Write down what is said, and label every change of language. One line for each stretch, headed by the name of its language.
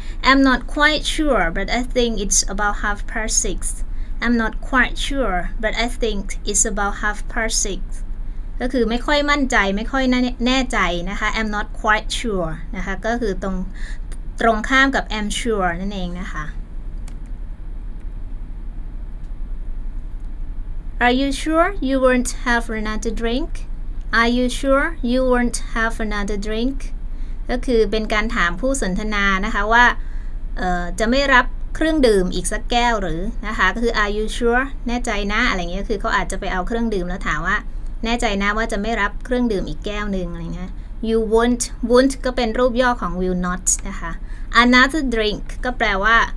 English: I'm not quite sure but I think it's about 6:30 I'm not quite sure but I think it's about 6:30
Thai: ก็คือไม่ค่อยมั่นใจไม่ค่อยแน่ใจนะคะ
English: I'm not quite sure
Thai: นะคะก็คือตรงข้ามกับ
English: I'm sure
Thai: นั่นเองนะคะ
English: Are you sure you won't have another drink? Are you sure you won't have another drink?
Thai: ก็คือเป็นการถามผู้สนทนานะคะว่าจะไม่รับเครื่องดื่มอีกสักแก้วหรือนะคะก็คือ
English: Are you sure
Thai: แน่ใจนะอะไรเงี้ยคือเขาอาจจะไปเอาเครื่องดื่มแล้วถามว่าแน่ใจนะว่าจะไม่รับเครื่องดื่มอีกแก้วนึงอะไรเงี้ย You won't won't ก็เป็นรูปย่อของ will not นะคะ
English: Another drink
Thai: ก็แปลว่า